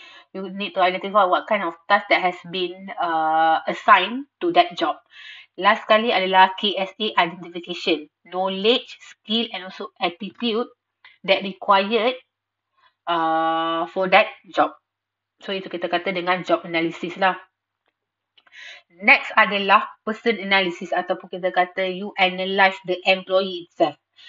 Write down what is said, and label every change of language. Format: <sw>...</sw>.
<en>You need to identify what kind of task that has been assigned to that job.</en> <ms>Last kali adalah KSA identification.</ms> <en>Knowledge, skill and also attitude that required for that job.</en> <ms>So, itu kita kata dengan job analysis lah. Next adalah person analysis ataupun kita kata</ms> <en>you analyze the employee itself.</en>